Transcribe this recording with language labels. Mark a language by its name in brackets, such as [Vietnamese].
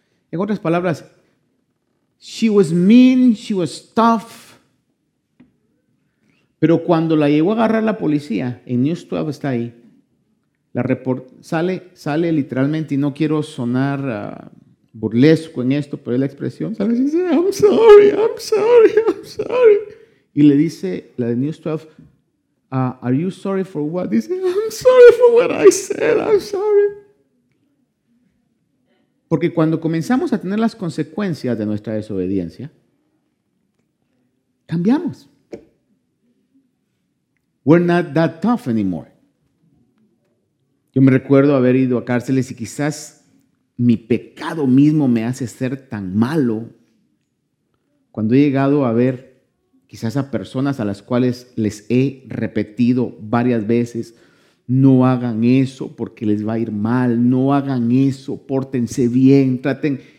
[Spanish] En otras palabras, [English] she was mean, she was tough. [Spanish] Pero cuando la llegó a agarrar la policía, en News 12 está ahí, sale literalmente, y no quiero sonar burlesco en esto, pero es la expresión, ¿sabes? Y dice, [English] I'm sorry, I'm sorry, I'm sorry. [Spanish] Y le dice la de News 12, [English] are you sorry for what? [Spanish] Dice, [English] I'm sorry for what I said, I'm sorry. [Spanish] Porque cuando comenzamos a tener las consecuencias de nuestra desobediencia, cambiamos. [English] We're not that tough anymore. [Spanish] Yo me recuerdo haber ido a cárceles y quizás mi pecado mismo me hace ser tan malo. Cuando he llegado a ver quizás a personas a las cuales les he repetido varias veces, no hagan eso porque les va a ir mal, no hagan eso, pórtense bien, traten.